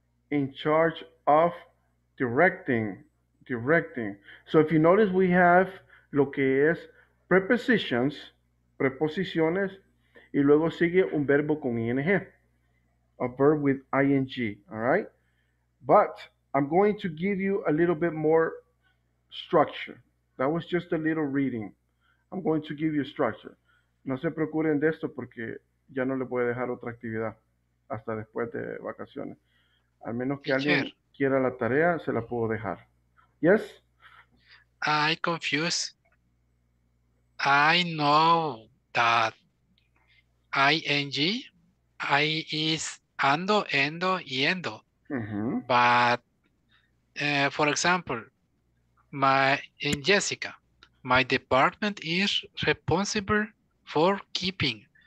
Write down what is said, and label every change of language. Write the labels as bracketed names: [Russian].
[English] In charge of directing. So if you notice, we have [Spanish] lo que es preposiciones, y luego sigue un verbo con ing, [English] a verb with ing, all right? But I'm going to give you a little bit more structure. That was just a little reading. I'm going to give you structure. [Spanish] No se preocupen de esto porque ya no le voy a dejar otra actividad hasta después de vacaciones. Al menos que teacher, alguien quiera la tarea, se la puedo dejar. [English] Yes? I confuse. I know that ing, I is ando, endo, yendo. Mm-hmm. But for example, my department is responsible for keeping.